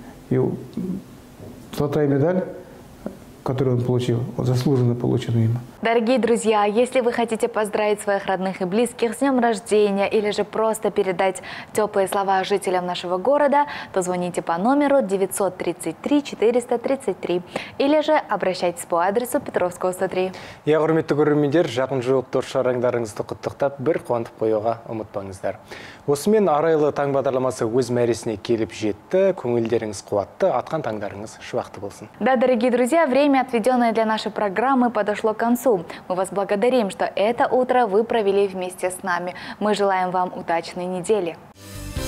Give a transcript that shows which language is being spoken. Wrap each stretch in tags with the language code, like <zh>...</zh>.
<ru>И золотая медаль, которую он получил, заслуженно получена им. Дорогие друзья, если вы хотите поздравить своих родных и близких с днем рождения или же просто передать теплые слова жителям нашего города, то звоните по номеру 933-433 или же обращайтесь по адресу Петровского 103.</ru> <kk>Я құрметті көрермендер, жақын жылы торшараңдарыңызды құттықтап, бір қуантып қойуға ұмытпаңыздар. Осымен Арайлы таң бағдарламасы өз мәресіне келіп жетті, көңілдеріңіз қуатты, атқан таңдарыңыз шуақты болсын.</kk> <ru>Да, дорогие друзья, время, отведенное для нашей программы, подошло к концу. Мы вас благодарим, что это утро вы провели вместе с нами. Мы желаем вам удачной недели.</ru>